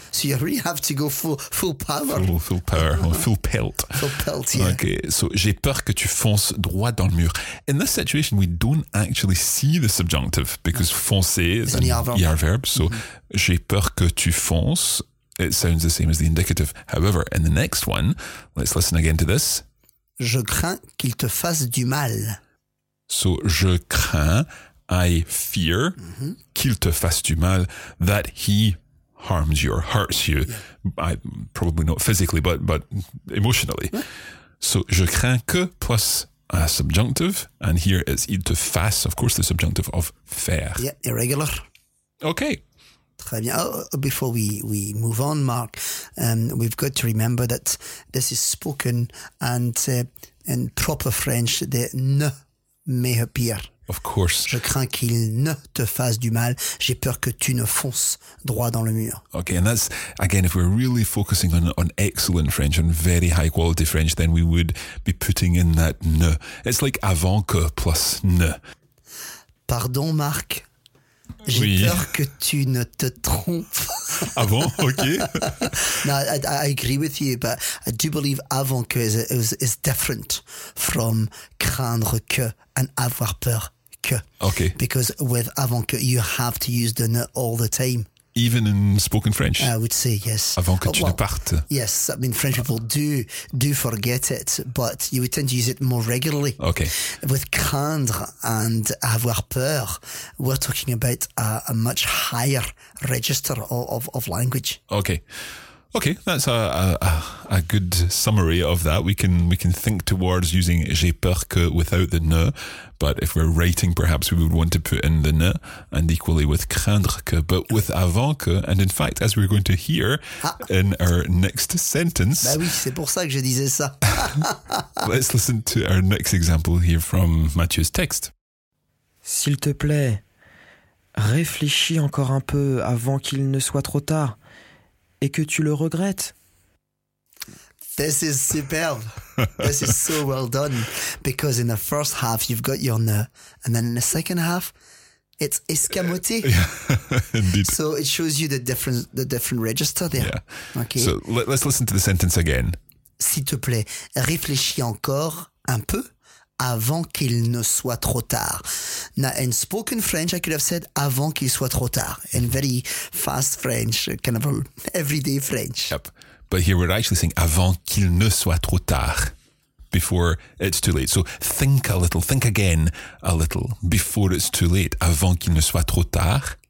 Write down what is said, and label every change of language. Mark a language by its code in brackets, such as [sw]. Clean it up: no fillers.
[en] So you really have to go full power. Full power. Uh-huh. Full pelt. Full pelt, yeah. Okay, so [fr] j'ai peur que tu fonces droit dans le mur. [en] In this situation, we don't actually see the subjunctive because foncer is an ER verb. [fr] So j'ai peur que tu fonces. [en] It sounds the same as the indicative. However, in the next one, let's listen again to this. [fr] Je crains qu'il te fasse du mal. [en] So, [fr] je crains, [en] I fear, [fr] qu'il te fasse du mal, [en] that he harms you or hurts you. Yeah. Probably not physically, but emotionally. Ouais. So, [fr] je crains que [en] plus a subjunctive, and here it's [fr] il te fasse, [en] of course, the subjunctive of faire. Yeah, irregular. Okay. [fr] Très bien. [en] Before we move on, Marc, we've got to remember that this is spoken and in proper French, the ne may appear. Of course. [fr] Je crains qu'il ne te fasse du mal. J'ai peur que tu ne fonces droit dans le mur. [en] Okay, and that's, again, if we're really focusing on excellent French, on very high quality French, then we would be putting in that ne. It's like avant que plus ne. [fr] Pardon, Marc. J'ai peur que tu ne te trompes. Ah bon? Ok. [en] No, I agree with you, but I do believe avant que is different from craindre que and [fr] avoir peur que. [en] Ok. Because with avant que, you have to use the ne all the time. Even in spoken French? I would say yes. [fr] Avant que tu ne partes. [en] Yes, I mean French people do forget it, but you would tend to use it more regularly. Okay. With craindre and avoir peur, we're talking about a much higher register of language. Okay. Okay, that's a good summary of that. We can think towards using [fr] j'ai peur que [en] without the ne, but if we're writing, perhaps we would want to put in the ne, and equally with craindre que, but with avant que, and in fact, as we're going to hear in our next sentence. [fr] Bah oui, c'est pour ça que je disais ça. [en] Let's listen to our next example here from Mathieu's text. [fr] S'il te plaît, réfléchis encore un peu avant qu'il ne soit trop tard. Et que tu le regrettes. [en] This is superb. This is so well done. Because in the first half, you've got your ne. And then in the second half, it's escamoté. Indeed. So it shows you the different register there. Yeah. Okay. So let's listen to the sentence again. [fr] S'il te plaît, réfléchis encore un peu avant qu'il ne soit trop tard. [en] Now, in spoken French, I could have said [fr] avant qu'il soit trop tard. [en] In very fast French, kind of everyday French. Yep. But here we're actually saying [fr] avant qu'il ne soit trop tard, [en] before it's too late. So think a little, think again a little, before it's too late, avant qu'il ne soit trop tard.